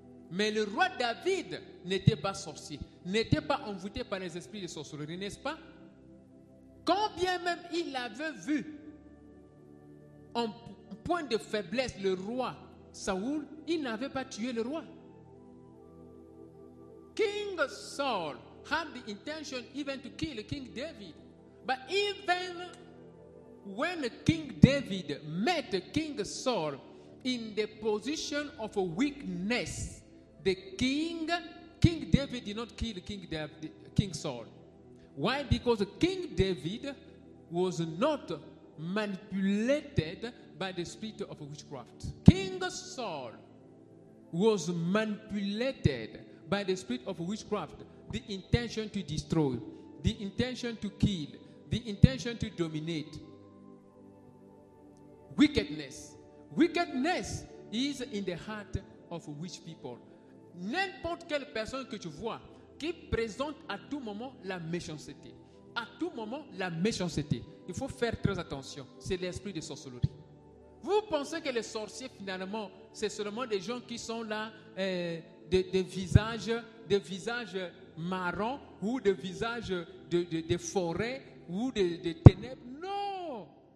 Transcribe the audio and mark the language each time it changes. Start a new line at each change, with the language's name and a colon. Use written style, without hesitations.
French: Mais le roi David n'était pas sorcier, n'était pas envoûté par les esprits de sorcellerie, n'est-ce pas? Quand bien même il avait vu en point de faiblesse le roi Saoul, il n'avait pas tué le roi.
English: King Saul had the intention even to kill King David. But even when King David met King Saul in the position of a weakness, King David did not kill King Saul. Why? Because King David was not manipulated by the spirit of witchcraft. King Saul was manipulated by the spirit of witchcraft, the intention to destroy, the intention to kill, the intention to dominate. Wickedness. Wickedness is in the heart of witch people.
French: N'importe quelle personne que tu vois qui présente à tout moment la méchanceté. À tout moment, la méchanceté. Il faut faire très attention. C'est l'esprit de sorcellerie. Vous pensez que les sorciers, finalement, c'est seulement des gens qui sont là, des visages marrons ou des visages de forêts ou de ténèbres. Non!